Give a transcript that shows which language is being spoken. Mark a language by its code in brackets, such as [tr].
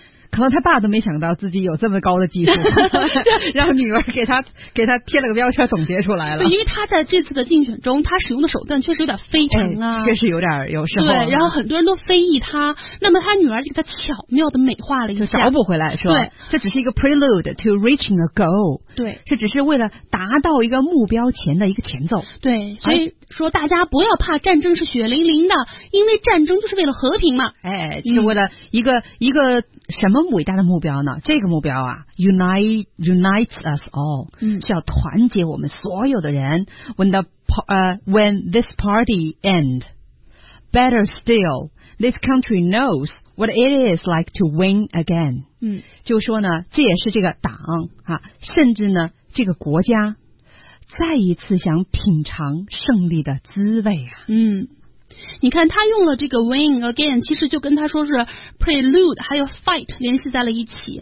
[zh] 可能他爸都没想到自己有这么高的技术，让女儿给他贴了个标签，总结出来了。因为他在这次的竞选中，他使用的手段确实有点非常啊，确实有点有时候。对，然后很多人都非议他，那么他女儿就给他巧妙的美化了一下，就找补回来说，对，这只是一个 [en] prelude to reaching a goal， [zh] 对，这只是为了达到一个目标前的一个前奏。对，所以说大家不要怕战争是血淋淋的，因为战争就是为了和平嘛。哎，就是为了一个什么。伟大的目标呢？这个目标啊 ， [en] unites us all， [zh] 是要团结我们所有的人。 [en] When this party ends， better still， this country knows what it is like to win again。 [zh] 嗯，就说呢，这也是这个党啊，甚至呢，这个国家再一次想品尝胜利的滋味啊。嗯。你看他用了这个 [en] win again， [zh] 其实就跟他说是 prelude 还有 fight 联系在了一起。